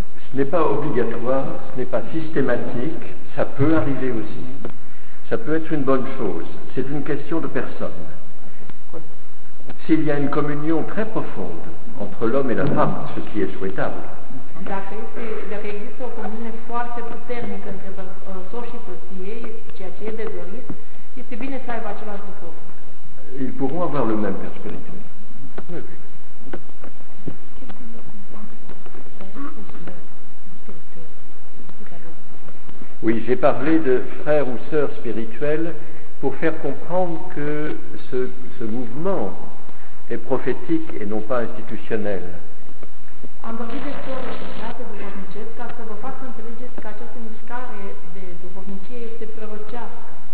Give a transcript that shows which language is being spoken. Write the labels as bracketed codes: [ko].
[fr] Ce n'est pas obligatoire, ce n'est pas systématique, ça peut arriver aussi. Ça peut être une bonne chose, c'est une question de personne. S'il y a une communion très profonde entre l'homme et la femme, ce qui est souhaitable. [ro] Dacă există o comunie foarte puternică între soț și soție, ceea ce e de dorit, este bine să aibă același lucru. [fr] Ils pourront avoir le même père spirituel. Oui. Oui, j'ai parlé de frère ou sœur spirituel pour faire comprendre que ce mouvement est prophétique et non pas institutionnel. [ro] Am vorbit de soră și frate duhovnicesc ca să vă fac să înțelegeți că această mișcare de duhovnicie este prorocească.